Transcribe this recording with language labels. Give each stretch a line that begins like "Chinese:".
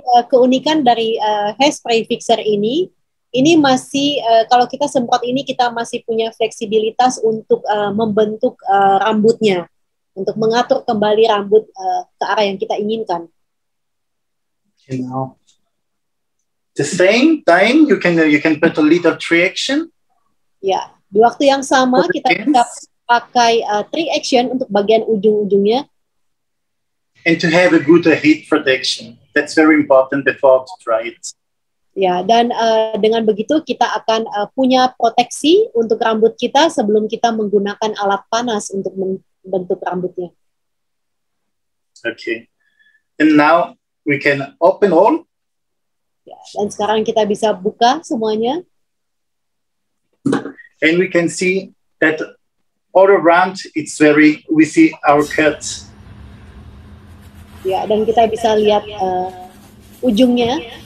Indonesian: Keunikan dari hairspray fixer ini masih, kalau kita semprot ini, kita masih punya fleksibilitas untuk membentuk rambutnya, untuk mengatur kembali rambut ke arah yang kita inginkan.
English: You know. The same time you can put a little tree action.
Indonesian: Ya, di waktu yang sama kita bisa pakai tree action untuk bagian ujung-ujungnya.
English: And to have a good heat protection. That's very important before to try it.
Indonesian: Ya, dan dengan begitu kita akan punya proteksi untuk rambut kita sebelum kita menggunakan alat panas untuk membentuk rambutnya.
English: Okay. And now we can open all.
Indonesian: Ya, dan sekarang kita bisa buka semuanya.
English: And we can see that all around it's very, we see our cuts.
Indonesian: Ya, dan kita bisa lihat ujungnya.